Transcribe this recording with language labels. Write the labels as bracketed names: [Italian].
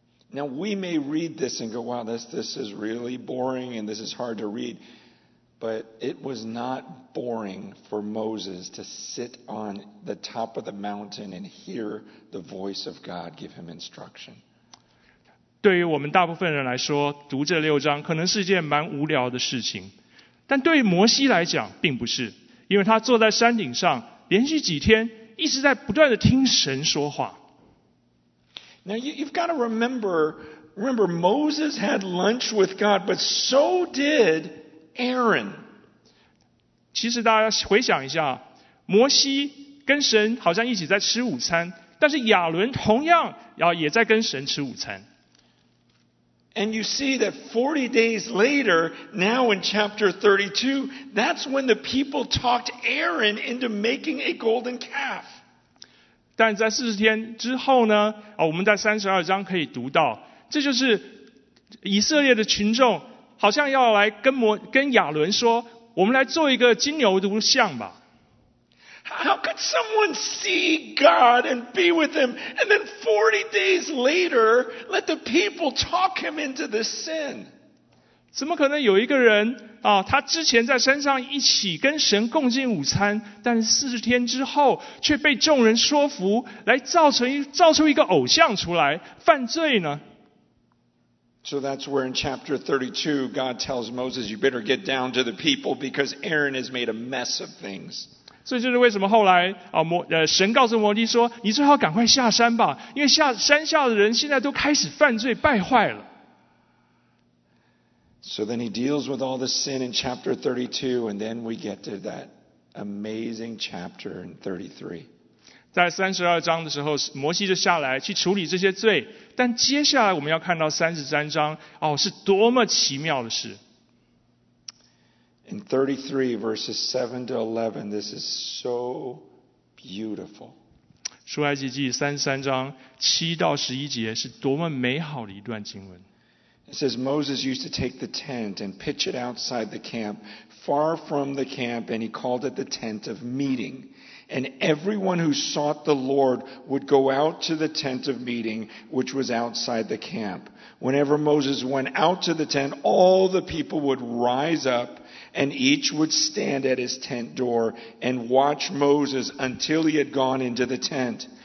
[English] Now we may read this and go, wow, this is really boring and this is hard to read. But it was not boring for Moses to sit on the top of the mountain and hear the voice of God give him instruction. [Chinese] 对于我们大部分人来说，读这六章可能是一件蛮无聊的事情。但对于摩西来讲并不是，因为他坐在山顶上连续几天一直在不断地听神说话。 [English] Now you've got to remember Moses had lunch with God, but so did Aaron. [Chinese] 其实大家回想一下，摩西跟神好像一起在吃午餐，但是亚伦同样也在跟神吃午餐。 [English] And you see that 40 days later, now in chapter 32, that's when the people talked Aaron into making a golden calf. [Chinese] 但在40天之后呢，我们在32章可以读到，这就是以色列的群众好像要来跟亚伦说，我们来做一个金牛犊像吧。 [English] How could someone see God and be with him and then 40 days later let the people talk him into this sin? [Chinese] 怎么可能有一个人他之前在山上一起跟神共进午餐，但40天之后却被众人说服来造出一个偶像出来犯罪呢？ [English] So that's where in chapter 32 God tells Moses, you better get down to the people because Aaron has made a mess of things. [Chinese] 所以就是为什么后来神告诉摩西说，你最好赶快下山吧，因为山下的人现在都开始犯罪败坏了。 [English] So then he deals with all the sin in chapter 32, and then we get to that amazing chapter in 33. [Chinese] 在32章的时候，摩西就下来去处理这些罪，但接下来我们要看到33章，是多么奇妙的事。 [English] In 33 verses 7 to 11, this is so beautiful. [Chinese] 出埃及记33章7到11节是多么美好的一段经文。 [English] It says, Moses used to take the tent and pitch it outside the camp, far from the camp, and he called it the tent of meeting. And everyone who sought the Lord would go out to the tent of meeting, which was outside the camp. Whenever Moses went out to the tent, all the people would rise up, and each would stand at his tent door and watch Moses until he had gone into the tent.